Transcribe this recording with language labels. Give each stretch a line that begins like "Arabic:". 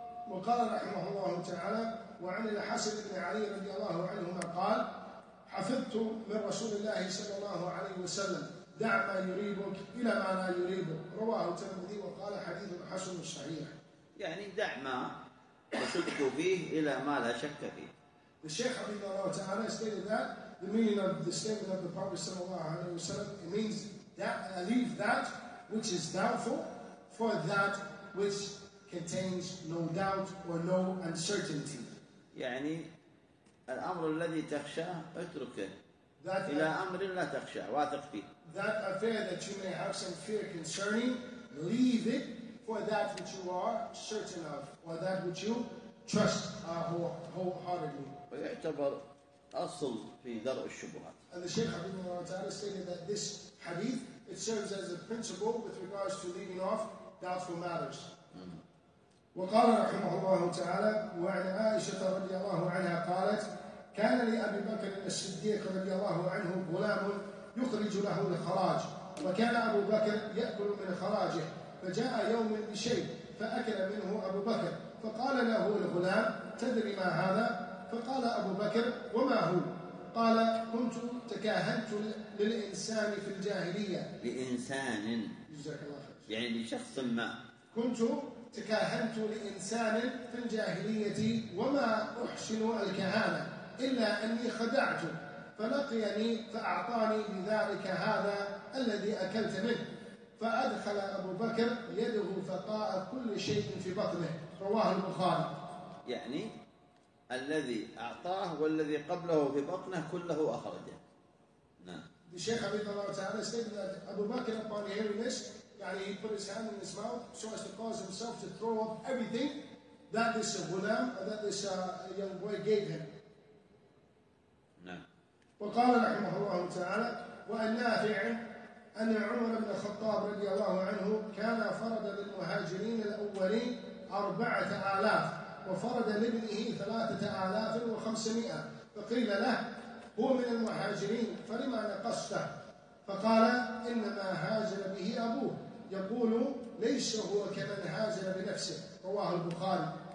Arabic: وقال رحمه الله تعالى وعن الحسن بن علي رضي الله عنهما قال حفظت من رسول الله صلى الله عليه وسلم دع ما يريبك إلى ما لا يريبك رواه الترمذي وقال حديث حسن صحيح يعني دع ما قصدت فيه إلى ما لا شك فيه.
English: The Shaykh Habibullah Ta'ala stated that the meaning of the statement of the Prophet صلى الله عليه وسلم, it means that leave that which is doubtful for that which contains no doubt or no uncertainty.
Arabic: يعني الأمر الذي تخشاه اتركه that إلى أمر لا تخشى واثق فيه.
English: That affair that you may have some fear concerning, leave it for that which you are certain of, or that which you trust wholeheartedly.
Arabic: ويعتبر أصل في درء الشبهات.
English: And the Shaykh Habibullah Ta'ala stated that this hadith, it serves as a principle with regards to leaving off doubtful matters.
Arabic: وقال رحمه الله تعالى وعن عائشة رضي الله عنها قالت كان لأبي بكر الصديق رضي الله عنه غلام يخرج له الخراج وكان أبو بكر يأكل من خراجه فجاء يوم بشيء فأكل منه أبو بكر فقال له الغلام تدري ما هذا؟ فقال أبو بكر وما هو؟ قال كنت تكاهنت للإنسان في الجاهلية لإنسان يعني شخص ما كنت تكاهنت لإنسان في الجاهلية وما أحسن الكهانة إلا أني خدعته فلقيني فأعطاني بذلك هذا الذي أكلت منه فأدخل أبو بكر يده فطاء كل شيء في بطنه رواه البخاري يعني الذي أعطاه والذي قبله في بطنه كله أخرجه
English: الشيخ عبد الله تعالى استدل أبو بكر upon hearing this يعني he put his hand in his mouth so as to cause himself to throw up everything that this غلام that this young boy gave him.
Arabic: وقال رحمه الله تعالى وأن نافع أن عمر بن الخطاب رضي الله عنه كان فرض للمهاجرين الأولين 4,000 وفرض لابنه 3,500 فقيل له هو من المهاجرين فلما نقصته فقال إنما هاجر به أبوه يقول ليس هو كمن هاجر بنفسه رواه البخاري